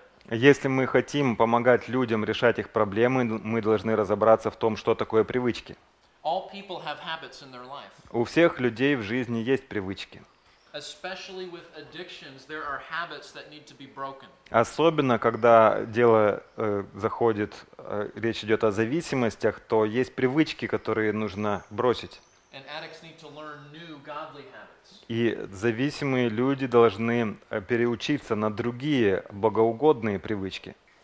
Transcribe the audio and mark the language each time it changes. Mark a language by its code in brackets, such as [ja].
[ru] Если мы хотим помогать людям решать их проблемы, мы должны разобраться в том, что такое привычки. [en] All people have habits in their life. [ru] У всех людей в жизни есть привычки. [en] Especially with addictions, there are habits that need to be broken. [ru] Особенно, когда дело заходит, речь идет о зависимостях, то есть привычки, которые нужно бросить. [en] And addicts need to learn new godly habits. [ru] И зависимые люди должны переучиться на другие богоугодные привычки.